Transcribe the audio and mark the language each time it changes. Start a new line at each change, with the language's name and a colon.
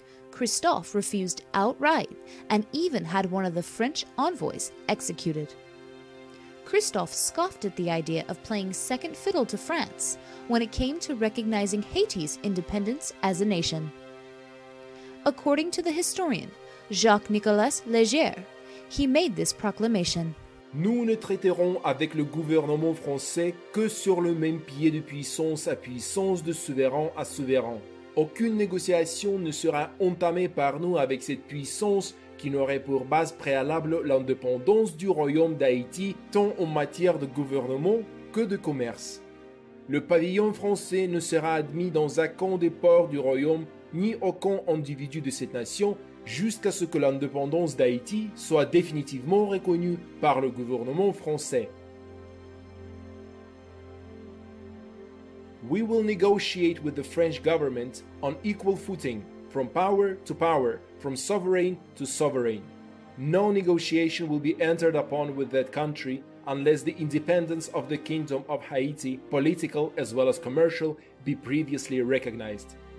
English: Christophe refused outright and even had one of the French envoys executed. Christophe scoffed at the idea of playing second fiddle to France when it came to recognizing Haiti's independence as a nation. According to the historian Jacques-Nicolas Légère, he made this proclamation.
French: Nous ne traiterons avec le gouvernement français que sur le même pied de puissance à puissance, de souverain à souverain. Aucune négociation ne sera entamée par nous avec cette puissance qui n'aurait pour base préalable l'indépendance du royaume d'Haïti tant en matière de gouvernement que de commerce. Le pavillon français ne sera admis dans aucun des ports du royaume ni aucun individu de cette nation jusqu'à ce que l'indépendance d'Haïti soit définitivement reconnue par le gouvernement français.
English: We will negotiate with the French government on equal footing, from power to power, from sovereign to sovereign. No negotiation will be entered upon with that country unless the independence of the Kingdom of Haiti, political as well as commercial, be previously recognized.